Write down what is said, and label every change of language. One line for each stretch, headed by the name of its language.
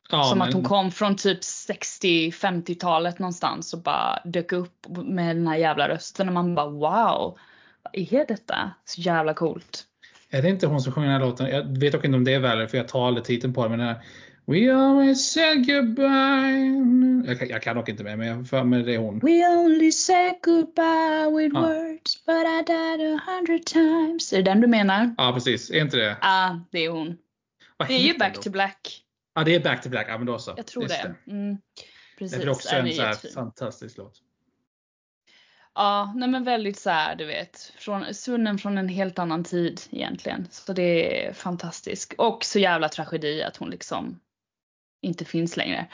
Swedish: Som att hon kom från typ 60-50-talet någonstans och bara dök upp med den här jävla rösten. Och man bara, wow, vad är detta? Så jävla coolt. Är det inte hon som sjunger den här låten? Jag vet dock inte om det är väl, för jag tar aldrig titeln på det. Men den här,
English: we always said goodbye.
Swedish: Jag kan dock inte med, men jag för mig det är hon.
English: We only said goodbye with words, but I died 100 times.
Swedish: Är det den du menar? Ja, precis. Är inte det? Ja, det är hon. Vad det är ju Back to Black. Ja, det är Back to Black, ja, men då så. Jag tror det. Precis. Det är också en så här fantastisk låt. Ja, nej, men väldigt så här, du vet. Svunnen från en helt annan tid egentligen. Så det är fantastiskt. Och så jävla tragedi att hon liksom inte finns längre.